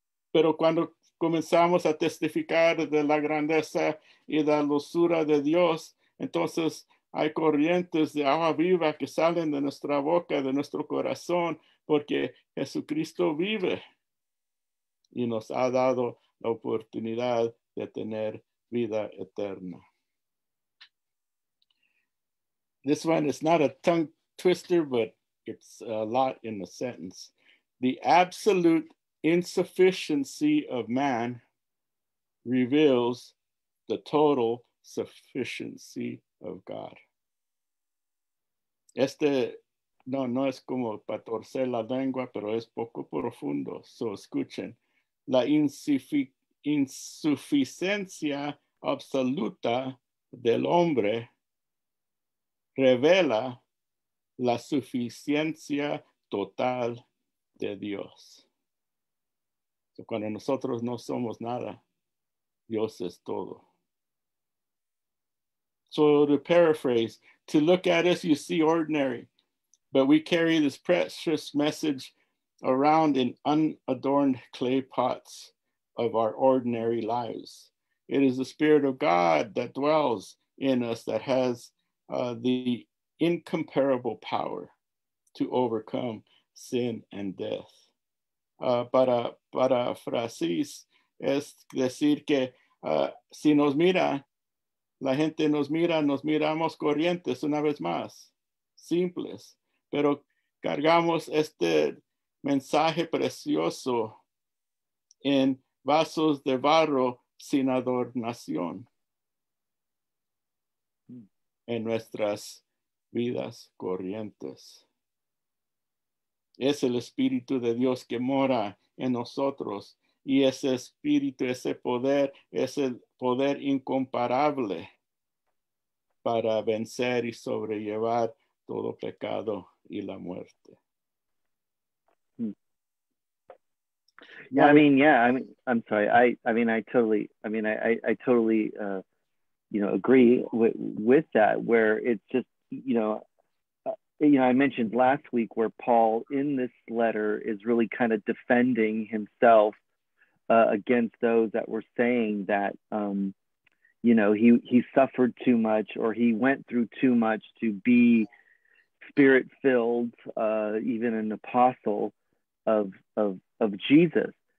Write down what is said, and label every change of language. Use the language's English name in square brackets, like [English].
[Spanish] Pero cuando comenzamos a testificar de la grandeza y de la dulzura de Dios, entonces hay corrientes de agua viva que salen de nuestra boca, de nuestro corazón, porque Jesucristo vive y nos ha dado la oportunidad de tener vida eterna. [English] This one is not a tongue twister, but it's a lot in the sentence. The absolute insufficiency of man reveals the total sufficiency of God. [Spanish] No es como para torcer la lengua, pero es poco profundo. So escuchen, la insuficiencia absoluta del hombre revela la suficiencia total de Dios. Cuando nosotros no somos nada, Dios es todo. [English] So to paraphrase, to look at us, you see ordinary, but we carry this precious message around in unadorned clay pots of our ordinary lives. It is the Spirit of God that dwells in us that has the incomparable power to overcome sin and death. [Spanish] Para Francis es decir que si nos mira, la gente nos miramos corrientes una vez más, simples, pero cargamos este mensaje precioso en vasos de barro sin adornación en nuestras vidas corrientes. Es el Espíritu de Dios que mora en nosotros. Y ese Espíritu, ese poder, es el poder incomparable para vencer y sobrellevar todo pecado y la muerte. Hmm. [English] Yeah, I totally agree with that, where it's just, you know, I mentioned last week where Paul in this letter is really kind of defending himself against those that were saying that, he suffered too much or he went through too much to be spirit-filled, even an apostle of Jesus.